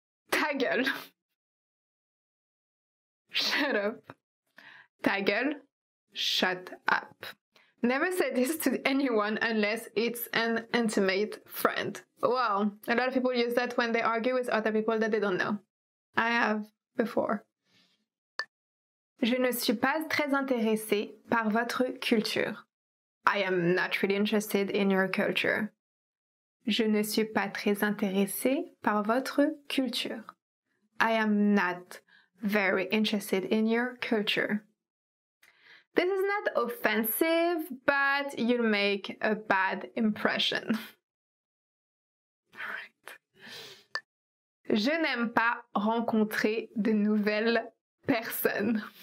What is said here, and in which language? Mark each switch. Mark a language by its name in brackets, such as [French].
[French] Ta gueule. [English] Shut up. [French] Ta gueule, [English] shut up. Never say this to anyone unless it's an intimate friend. Well, a lot of people use that when they argue with other people that they don't know. I have before. [French] Je ne suis pas très intéressée par votre culture. [English] I am not really interested in your culture. [French] Je ne suis pas très intéressée par votre culture. [English] I am not very interested in your culture. This is not offensive, but you'll make a bad impression. [French] Right. Je n'aime pas rencontrer de nouvelles personnes.